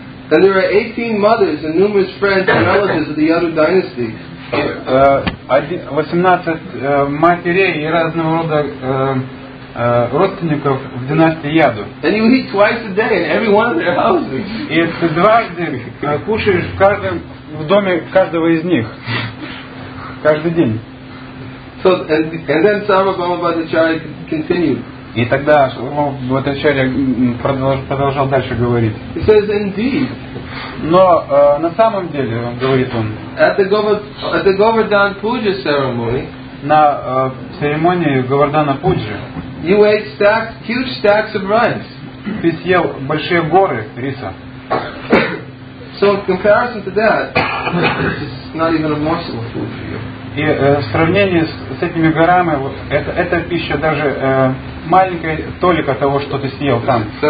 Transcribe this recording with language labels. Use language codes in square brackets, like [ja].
[en] Then there are 18 mothers and numerous friends and relatives of the Yadu dynasty. [ru] 18 матерей и разного рода родственников в династии Яду. [en] And you eat twice a day in every one of their houses. [ru] И ты дважды кушаешь в доме каждого из них каждый день. [en] So and then Sarvabhauma Bhattacharya continued. [ru] И тогда Бхаттачарья продолжал дальше говорить. [en] He says, indeed. [ru] Но на самом деле, говорит он, [en] at the Govardhan Puja ceremony, [ru] на церемонии Говардхана Пуджи, [en] you ate stacks, huge stacks of rice. [ru] Ты съел большие горы риса. [en] So in comparison to that, it's not even a morsel of food for you. [ru] И в сравнении с этими горами, вот эта пища даже маленькая толика того, что ты съел там.